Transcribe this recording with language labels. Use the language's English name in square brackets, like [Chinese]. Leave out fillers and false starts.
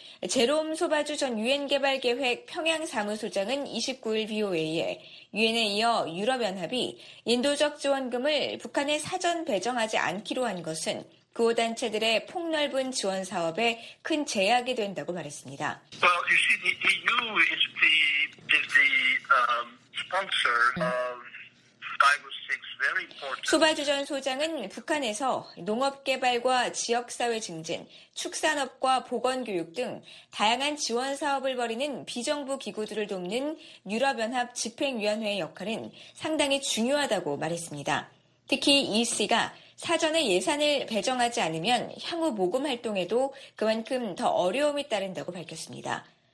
[Korean] 제롬 소바주 전 유엔개발계획 평양사무소장은 29일 VOA에 유엔에 이어 유럽연합이 인도적 지원금을 북한에 사전 배정하지 않기로 한 것은 구호 단체들의 폭넓은 지원 사업에 큰 제약이 된다고 말했습니다. [English] Well, you see, the EU is the sponsor of 5 or 6 very important. [Korean] 소바주 전 소장은 북한에서 농업 개발과 지역 사회 증진, 축산업과 보건 교육 등 다양한 지원 사업을 벌이는 비정부 기구들을 돕는 유럽연합 집행위원회의 역할은 상당히 중요하다고 말했습니다. 특히 이 씨가 사전에 예산을 배정하지 않으면 향후 모금 활동에도 그만큼 더 어려움이 따른다고 밝혔습니다.